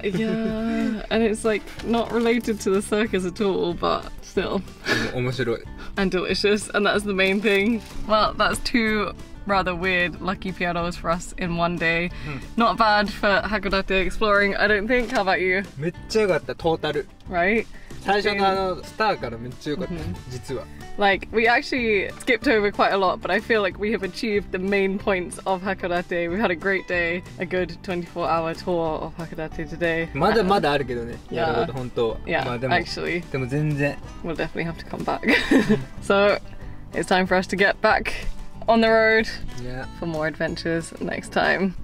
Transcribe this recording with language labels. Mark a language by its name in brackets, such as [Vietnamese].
[English] Yeah, and it's like not related to the circus at all, but still. [Japanese] 面白い。 [English] And delicious, and that's the main thing. Well, that's two rather weird lucky Pierrots for us in one day. Not bad for Hakodate exploring, I don't think. How about you? [Japanese] めっちゃ良かった、トータル。 [English] Right? [Japanese] 最初のあのスターからめっちゃ良かった、実は。 [English] Like, we actually skipped over quite a lot, but I feel like we have achieved the main points of Hakodate. We had a great day, a good 24-hour tour of Hakodate today. [Japanese] まだまだあるけどね。やるほど、本当は。 [English] Yeah, [Japanese] まあ、 [English] actually. [Japanese] でも全然。 [English] We'll definitely have to come back. So, it's time for us to get back on the road for more adventures next time.